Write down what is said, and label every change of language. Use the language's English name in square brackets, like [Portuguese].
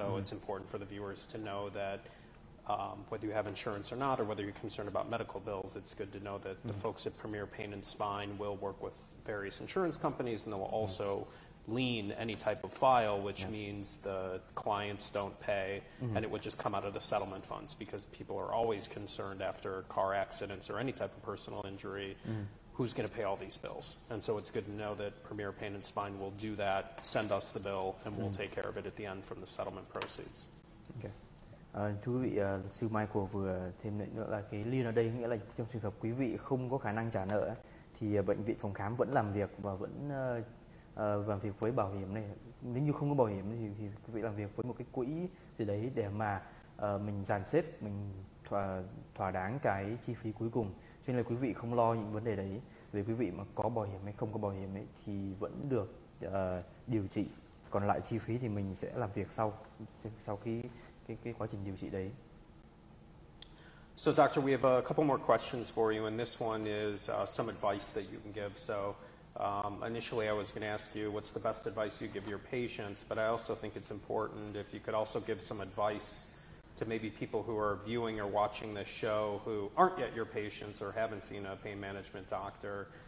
[English] So it's important for the viewers to know that whether you have insurance or not, or whether you're concerned about medical bills, it's good to know that the folks at Premier Pain and Spine will work with various insurance companies, and they will also lien any type of file, which means the clients don't pay, and it would just come out of the settlement funds, because people are always concerned after car accidents or any type of personal injury, who's going to pay all these bills. And so it's good to know that Premier Pain and Spine will do that, send us the bill, and we'll take care of it at the end from the settlement proceeds. Okay. [Vietnamese] Thưa quý vị, luật sư Michael vừa thêm lại nữa là cái lien ở đây nghĩa là trong trường hợp quý vị không có khả năng trả nợ thì bệnh viện phòng khám vẫn làm việc và vẫn làm việc với bảo hiểm này. Nếu như không có bảo hiểm thì quý vị làm việc với một cái quỹ gì đấy để mà mình dàn xếp, mình thỏa đáng cái chi phí cuối cùng. Cho nên là quý vị không lo những vấn đề đấy. Về quý vị mà có bảo hiểm hay không có bảo hiểm ấy, thì vẫn được điều trị. Còn lại chi phí thì mình sẽ làm việc sau khi cái quá trình điều trị đấy. [English] So doctor, we have a couple more questions for you, and this one is some advice that you can give. So initially I was going to ask you what's the best advice you give your patients, but I also think it's important if you could also give some advice to maybe people who are viewing or watching this show who aren't yet your patients or haven't seen a pain management doctor.